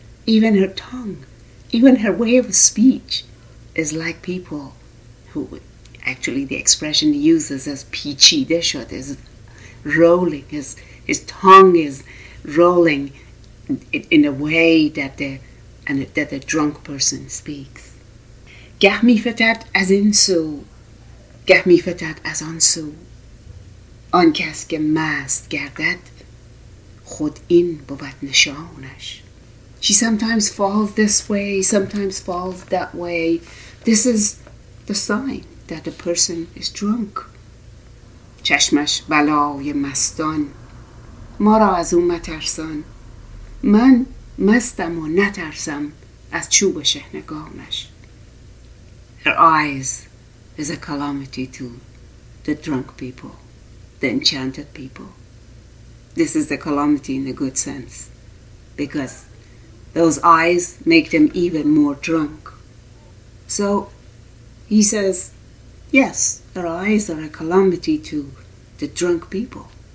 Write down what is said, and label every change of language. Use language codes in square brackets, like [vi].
[en] Even her tongue, even her way of speech is like people who, actually the expression he uses is پیچیده شد, is rolling, his tongue is rolling in a way that the drunk person speaks. [fa] گه می فتد از این سو گه می فتد از آن سو آن کس که مست گردد خود این بود نشانش. [en] She sometimes falls this way, sometimes falls that way. This is the sign that the person is drunk. [fa] چشمش بلای مستان ما را از او مترسان من مستم و نترسم از چوب شهنگانش. [en] Her eyes is a calamity to the drunk people, the enchanted people. this is the calamity in a good sense, because those eyes make them even more drunk. So he says, yes, their eyes are a calamity to the drunk people.